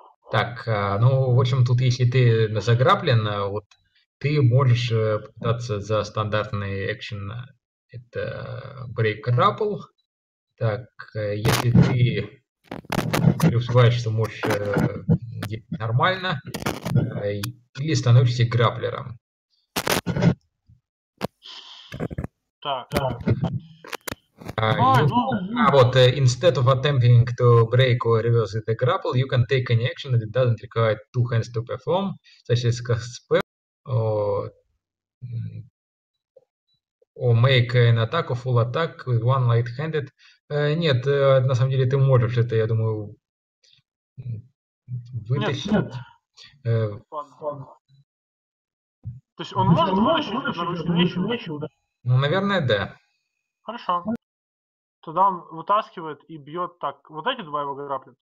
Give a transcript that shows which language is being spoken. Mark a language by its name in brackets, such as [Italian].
[Russian] Так, ну, в общем, тут, если ты заграблен, вот, ты можешь попытаться за стандартный экшен, это break grapple. Так, если ты преуспеваешь, что можешь делать нормально, или становишься грапплером. Так. Вот, [English] instead of attempting to break or reverse the grapple, you can take any action that doesn't require two hands to perform, such as cast spell, or make an attack, full attack with one light-handed. [Russian] Нет, на самом деле ты можешь это, я думаю, Нет, вытащить. нет. То есть он может вытащить одноручным мечом, да? Ну, наверное, да. Хорошо. Тогда он вытаскивает и бьет так. Вот эти два его граплинга.